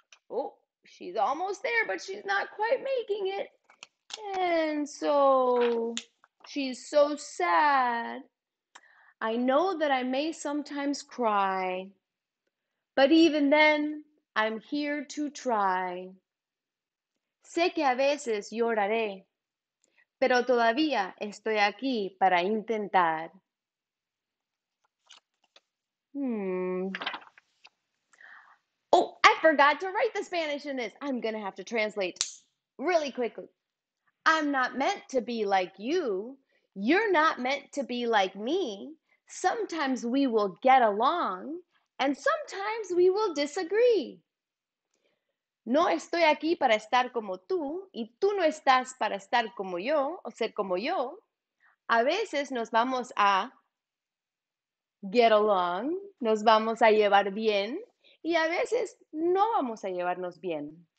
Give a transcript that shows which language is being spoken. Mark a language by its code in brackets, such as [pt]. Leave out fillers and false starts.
[en] Oh, she's almost there, but she's not quite making it. And so she's so sad. I know that I may sometimes cry, but even then, I'm here to try. [es] Sé que a veces lloraré, pero todavía estoy aquí para intentar. [en] Oh, I forgot to write the Spanish in this. I'm going to have to translate really quickly. I'm not meant to be like you. You're not meant to be like me. Sometimes we will get along and sometimes we will disagree. [es] No estoy aquí para estar como tú y tú no estás para estar como yo o ser como yo. A veces nos vamos a [en] get along, [es] nos vamos a llevar bien, y a veces no vamos a llevarnos bien.